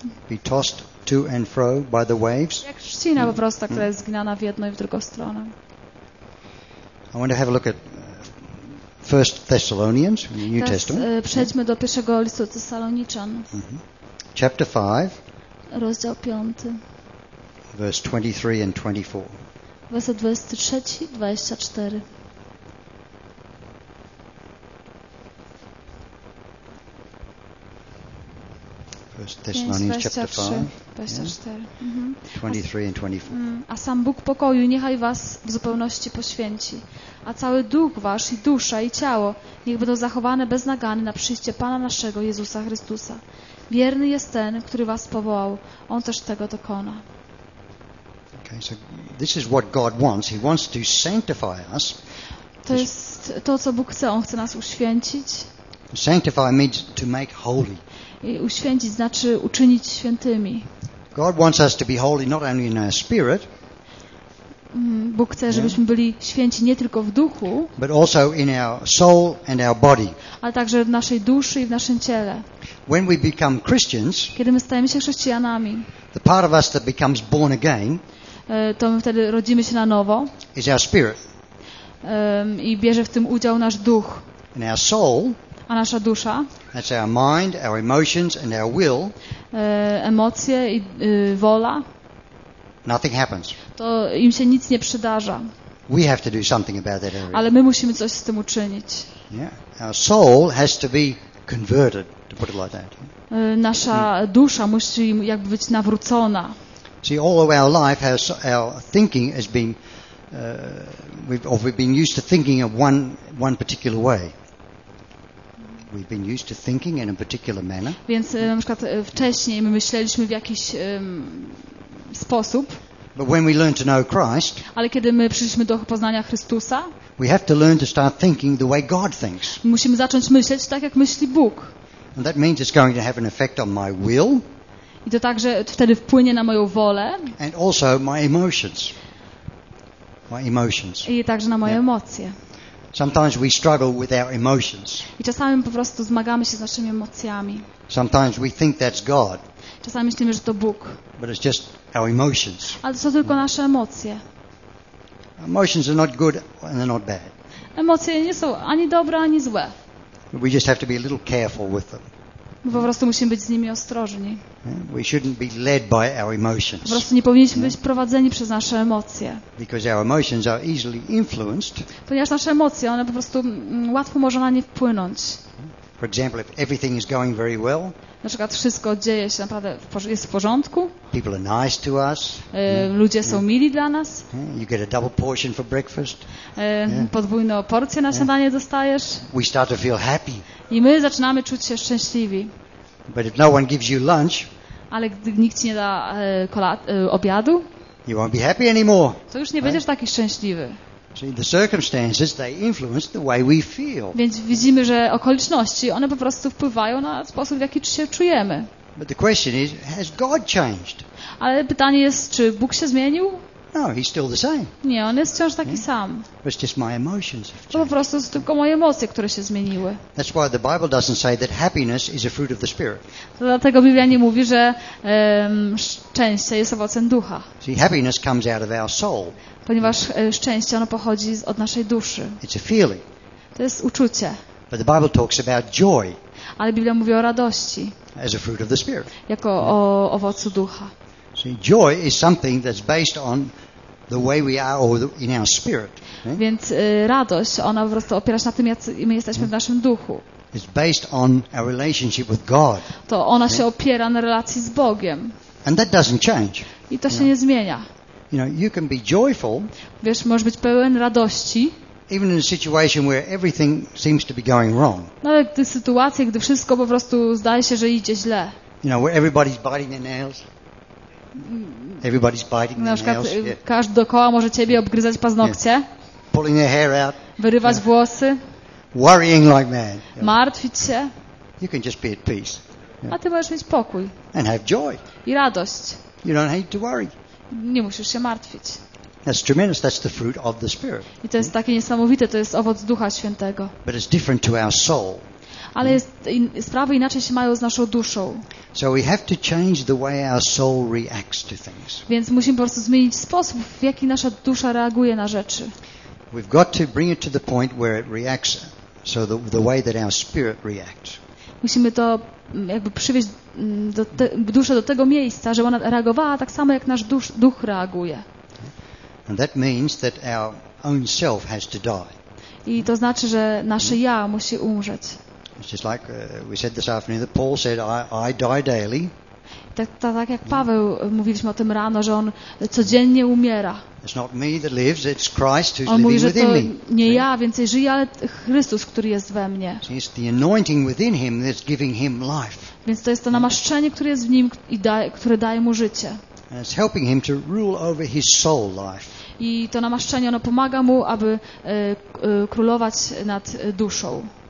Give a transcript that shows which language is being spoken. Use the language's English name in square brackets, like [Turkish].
[English] Be tossed to and fro by the waves. [Polish] Jak trzcina po prostu, która jest zgnana w jedną i w drugą stronę. [English] I want to have a look at 1 Thessalonians in the New Testament. [Polish] Przejdźmy do pierwszego listu Tesaloniczan. [English] Chapter 5. [Polish] Rozdział 5. [English] Verse 23 and 24. [Polish] Werset 23 i 24. [English] Thessalonians chapter 5, 23 and 24. [Polish] A sam Bóg pokoju niechaj was w zupełności poświęci, a cały duch wasz i dusza i ciało niech będą zachowane bez nagany na przyjście Pana naszego Jezusa Chrystusa. Wierny jest ten, który was powołał. On też tego dokona. [English] Okay, so this is what God wants. He wants to sanctify us. [Polish] To jest to, co Bóg chce. On chce nas uświęcić. [English] Sanctify means to make holy. [Polish] I uświęcić znaczy uczynić świętymi. [English] God wants us to be holy not only in our spirit. [Polish] Bóg chce, żebyśmy byli święci nie tylko w duchu, [English] but also in our soul and our body. [Polish] Ale także w naszej duszy i w naszym ciele. [English] When we become Christians, [Polish] kiedy my stajemy się chrześcijanami, [English] the part of us that becomes born again, [Polish] to my wtedy rodzimy się na nowo, [English] is our spirit. [Polish] I bierze w tym udział nasz duch. [English] And our soul, [Polish] a nasza dusza, [English] that's our mind, our emotions and our will, [Polish] emocje i wola, [English] nothing happens. [Polish] To im się nic nie przydarza. [English] We have to do something about that area. [Polish] Ale my musimy coś z tym uczynić. [English] Yeah. Our soul has to be converted, to put it like that. [Polish] Nasza dusza musi jakby być nawrócona. [English] See, all of our life has our thinking has been we've been used to thinking of one particular way. We've been used to thinking in a particular manner. [Polish] Więc na przykład wcześniej my myśleliśmy w jakiś sposób. [English] But when we learn to know Christ, [Polish] ale kiedy my przyszliśmy do poznania Chrystusa, [English] we have to learn to start thinking the way God thinks. [Polish] Musimy zacząć myśleć tak, jak myśli Bóg. [English] And that means it's going to have an effect on my will. [Polish] I to także wtedy wpłynie na moją wolę. [English] And also my emotions. My emotions. [Polish] I także na moje emocje. [English] Sometimes we struggle with our emotions. [Polish] I czasami po prostu zmagamy się z naszymi emocjami. [English] Sometimes we think that's God. [Polish] Czasami myślimy, że to Bóg. [English] But it's just our emotions. [Polish] Ale to są tylko nasze emocje. [English] Emotions are not good and they're not bad. [Polish] Emocje nie są ani dobre, ani złe. [English] We just have to be a little careful with them. [Polish] Po prostu musimy być z nimi ostrożni. [English] We shouldn't be led by our emotions. [Polish] Po prostu nie powinniśmy być prowadzeni przez nasze emocje. [English] Because our emotions are easily influenced. [Polish] Ponieważ nasze emocje, one po prostu łatwo można na nie wpłynąć. [English] For example, if everything is going very well, [Polish] na przykład wszystko dzieje się naprawdę, jest w porządku, [English] people are nice to us, [Polish] ludzie są mili dla nas, [English] you get a double portion for breakfast, [Polish] podwójną porcję na śniadanie dostajesz, [English] we start to feel happy. [Polish] I my zaczynamy czuć się szczęśliwi. [English] But if no one gives you lunch, [Polish] ale gdy nikt ci nie da obiadu, [English] you won't be happy anymore, [Polish] to już nie będziesz taki szczęśliwy. [English] See, the circumstances, they influence the way we feel. [Polish] Więc widzimy, że okoliczności, one po prostu wpływają na sposób, w jaki się czujemy. [English] But the question is, has God changed? [Polish] Ale pytanie jest, czy Bóg się zmienił? [English] No, he's still the same. [Polish] Nie, on jest wciąż taki sam. [English] It's just my emotions have changed. [Polish] To po prostu są tylko moje emocje, które się zmieniły. [English] That's why the Bible doesn't say that happiness is a fruit of the Spirit. [Polish] To dlatego Biblia nie mówi, że szczęście jest owocem ducha. [English] See, happiness comes out of our soul. [Polish] Ponieważ szczęście ono pochodzi od naszej duszy. [English] It's a feeling. [Polish] To jest uczucie. [English] But the Bible talks about joy. [Polish] Ale Biblia mówi o radości. [English] As a fruit of the Spirit. [Polish] Jako o owocu ducha. [English] See, joy is something that's based on the way we are or in our spirit. [Polish] Więc radość, ona po prostu opiera się na tym, jak my jesteśmy w naszym duchu. [English] It's based on our relationship with God. [Polish] To ona się opiera na relacji z Bogiem. [English] And that doesn't change. [Polish] I to się nie zmienia. [English] You know, you can be joyful. [Polish] Wiesz, możesz być pełen radości. [English] Even in a situation where everything seems to be going wrong. [Polish] Nawet w tej sytuacji, gdy wszystko po prostu zdaje się, że idzie źle. [English] You know, where everybody's biting their nails. Everybody's biting their nails. [Polish] Na przykład każdy dookoła może ciebie obgryzać paznokcie. [English] Yeah. Pulling their hair out. [Polish] Wyrywać włosy. [English] Worrying like mad. [Polish] Martwić się. [English] You can just be at peace. [Polish] A ty możesz mieć pokój. [English] And have joy. [Polish] I radość. [English] You don't need to worry. [Polish] Nie musisz się martwić. [English] That's tremendous. That's the fruit of the Spirit. [Polish] I to jest takie niesamowite, to jest owoc Ducha Świętego. [English] But it's different to our soul. [Polish] Ale sprawy inaczej się mają z naszą duszą. [English] So we have to change the way our soul reacts to things. [Polish] Więc musimy po prostu zmienić sposób, w jaki nasza dusza reaguje na rzeczy. [English] We've got to bring it to the point where it reacts so the way that our spirit reacts. [Polish] Musimy to jakby przywieźć duszę do tego miejsca, że ona reagowała tak samo, jak nasz duch reaguje. [English] And that means that our own self has to die. [Polish] I to znaczy, że nasze ja musi umrzeć. [English] It's just like we said this afternoon that Paul said, I die daily. [Polish] Tak jak Paweł, mówiliśmy o tym rano, że on codziennie umiera. [English] It's not me that lives, it's Christ who's [Polish] on mówi, [English] living within [Polish] to [English] me. [Polish] Nie ja więcej żyję, ale Chrystus, który jest we mnie. [English] See, it's the anointing within him that's giving him life. [Polish] Więc to jest to namaszczenie, które jest w nim i które daje mu życie. [English] And it's helping him to rule over his soul life. [Polish] I to namaszczenie, ono pomaga mu, aby królować nad duszą.